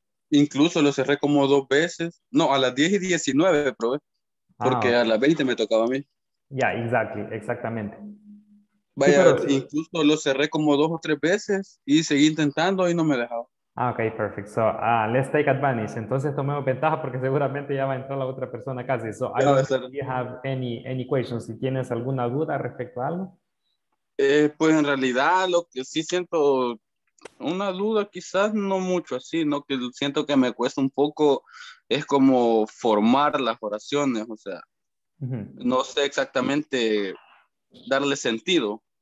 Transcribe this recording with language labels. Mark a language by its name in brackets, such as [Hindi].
[Spanish] Incluso lo cerré como dos veces. No, a las 10:19 probé. Porque a las 20 me tocaba a mí. Ya, yeah, exactamente. Vaya, sí, pero incluso lo cerré como dos o tres veces y seguí intentando y no me dejaba. [English] Ah, ok, perfecto. So, let's take advantage. [Spanish] Entonces tomemos ventaja porque seguramente ya va a entrar la otra persona casi. [English] So, I don't know if you have any questions. [Spanish] Si tienes alguna duda respecto a algo. Pues en realidad lo que sí siento, una duda quizás no mucho así, ¿no? Que siento que me cuesta un poco, es como formar las oraciones, o sea, no sé exactamente darle sentido.